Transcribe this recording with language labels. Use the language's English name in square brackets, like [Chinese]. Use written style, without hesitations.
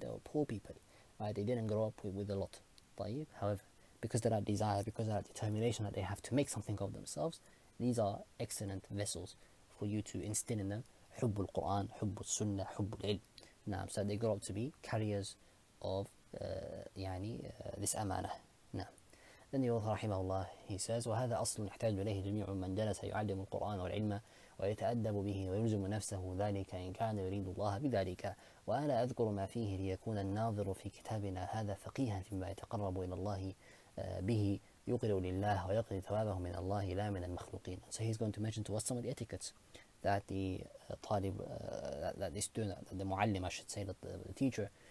[English] They were poor people, right? They didn't grow up with a lot. But however, because of that desire, because of that determination that they have to make something of themselves, these are excellent vessels for you to instill in them Hubbul Quran, Hubbul Sunnah, Hubbul Ilm. Now, so they grow up to be carriers of this amana. Then the author rahimahullah, he says, [Arabic] وهذا أصل يحتاج إليه جميع من جلس يعلم القرآن والعلم ويتأدب به ويلزم نفسه ذلك إن كان يريد الله بذلك. وأنا أذكر ما فيه ليكون الناظر في كتابنا هذا فقيها فيما يتقرب إلى الله به يقرأ لله ويقضي ثوابه من الله لا من المخلوقين. [English] So he's going to mention to us some of the etiquettes that the طالب, that the student, that the معلم, I should say, that the teacher